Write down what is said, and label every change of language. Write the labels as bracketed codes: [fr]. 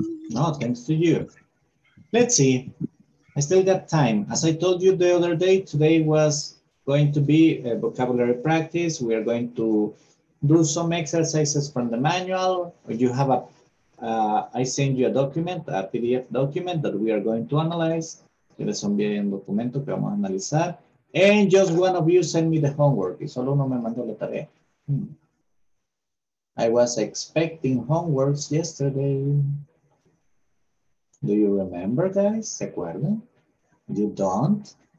[en] No, thanks to you. Let's see. I still got time. As I told you the other day, today was going to be a vocabulary practice. We are going to do some exercises from the manual. You have a, I send you a document, a PDF document that we are going to analyze. [es] Tienes un bien documento que vamos a analizar. [en] And just one of you send me the homework. [es] Y solo uno me mandó la tarea. [en] I was expecting homeworks yesterday. Do you remember, guys? [es] ¿Se acuerdan? [en] You don't?